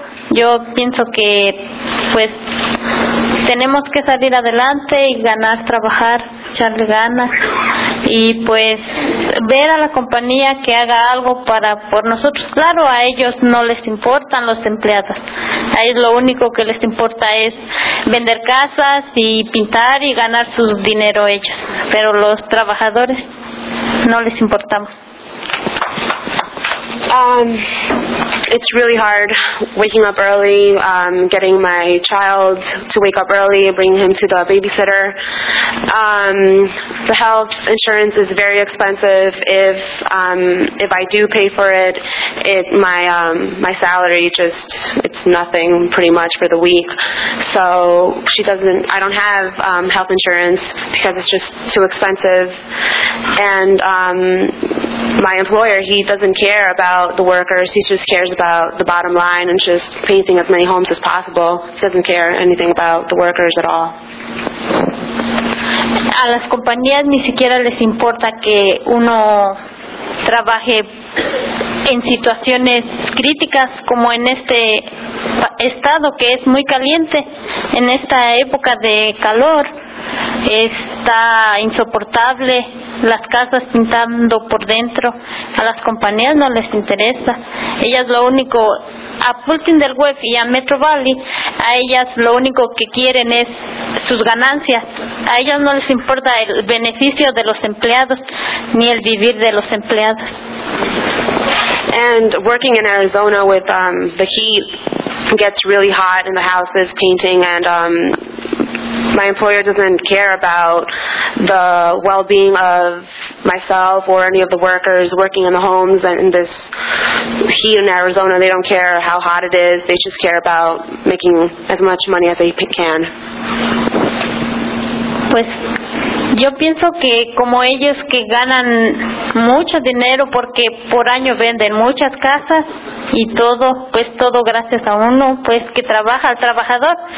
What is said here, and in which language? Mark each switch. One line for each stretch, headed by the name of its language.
Spanish: Yo pienso que pues tenemos que salir adelante y ganar, trabajar, echarle ganas y pues ver a la compañía que haga algo para por nosotros. Claro, a ellos no les importan los empleados, a ellos lo único que les importa es vender casas y pintar y ganar su dinero ellos, pero los trabajadores no les importamos.
English: It's really hard waking up early, getting my child to wake up early, bringing him to the babysitter. The health insurance is very expensive. If I do pay for it, my salary it's nothing pretty much for the week. So I don't have health insurance because it's just too expensive. And my employer, he doesn't care about the workers. He just cares about the bottom line and just painting as many homes as possible. He doesn't care anything about the workers at all.
Spanish: A las compañías ni siquiera les importa que uno trabaje en situaciones críticas como en este estado que es muy caliente. En esta época de calor está insoportable, las casas pintando por dentro. A las compañías no les interesa. Ellas lo único, a Pulte del Web y a Metro Valley, a ellas lo único que quieren es sus ganancias. A ellas no les importa el beneficio de los empleados ni el vivir de los empleados.
English: And working in Arizona with the heat gets really hot in the houses painting, and my employer doesn't care about the well-being of myself or any of the workers working in the homes and in this heat in Arizona. They don't care how hot it is. They just care about making as much money as they can.
Spanish: Pues yo pienso que como ellos que ganan mucho dinero porque por año venden muchas casas y todo, pues todo gracias a uno, pues que trabaja el trabajador.